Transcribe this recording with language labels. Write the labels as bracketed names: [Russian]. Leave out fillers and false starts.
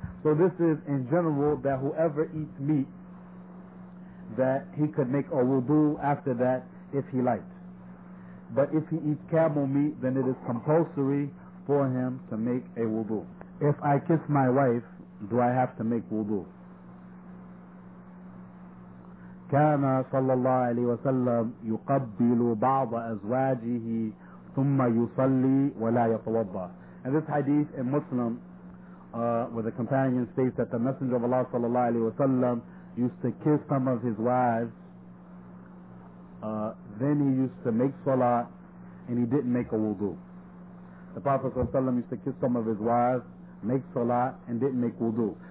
[English] So this is in general that whoever eats meat, that he could make a wudu after that if he likes. But if he eats camel meat, then it is compulsory for him to make a wudu. If I kiss my wife, do I have to make wudu? [Arabic] كان صلى الله عليه وسلم يقبل بعض أزواجه ثم يصلي ولا يتوضأ. [English] And this hadith in Muslim, with a companion, states that the Messenger of Allah صلى الله عليه وسلم used to kiss some of his wives, then he used to make salah, and he didn't make a wudu. The Prophet صلى الله عليه وسلم used to kiss some of his wives, make salah, and didn't make wudu.